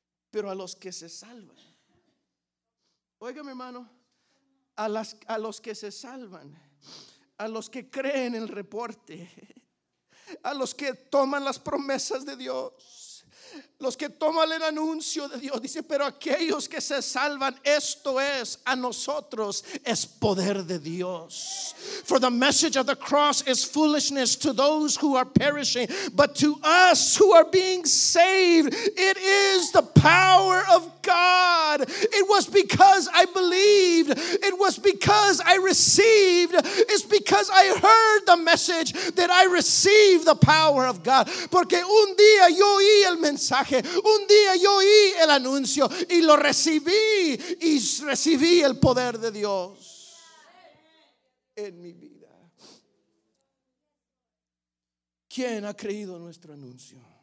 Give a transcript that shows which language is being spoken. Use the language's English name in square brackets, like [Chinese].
[Spanish] Pero a los que se salvan. Oiga, mi hermano, a los que se salvan, a los que creen el reporte, a los que toman las promesas de Dios, los que toman el anuncio de Dios, dice, pero aquellos que se salvan, esto es, a nosotros es poder de Dios. [English] For the message of the cross is foolishness to those who are perishing, but to us who are being saved, it is the power of God. It was because I believed, it was because I received, it's because I heard the message that I received the power of God. [Spanish] Porque un día yo oí el mensaje, un día yo oí el anuncio y lo recibí, y recibí el poder de Dios en mi vida. ¿Quién ha creído nuestro anuncio?